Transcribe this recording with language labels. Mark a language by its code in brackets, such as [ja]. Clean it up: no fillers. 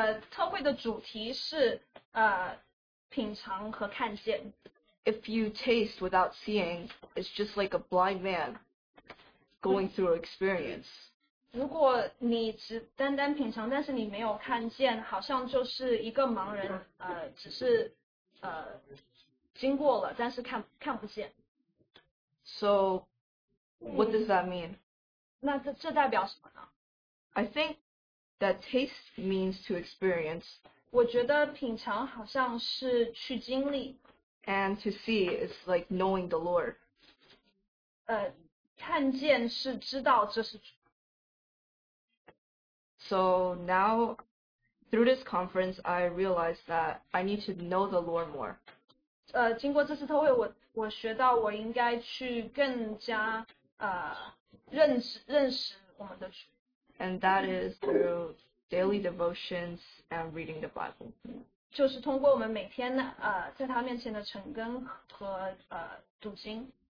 [zh] 特会的主题是 品尝和看见。 [en] If you taste without seeing, it's just like a blind man going through experience. [zh] 如果你只单单品尝，但是你没有看见， 好像就是一个盲人, 只是, 经过了, 但是看不见。 [en] So, what does that mean? [zh] 那这代表什么呢? [en] I think that taste means to experience. [zh] 我觉得品尝好像是去经历。 [en] And to see is like knowing the Lord. [zh] 看见是知道这是。 [en] So now, through this conference, I realized that I need to know the Lord more. [zh] 经过这次特会，我学到我应该去更加认识我们的主。 [en] And that is through daily devotions and reading the Bible. [zh] 就是通过我们每天在他面前的晨更和读经。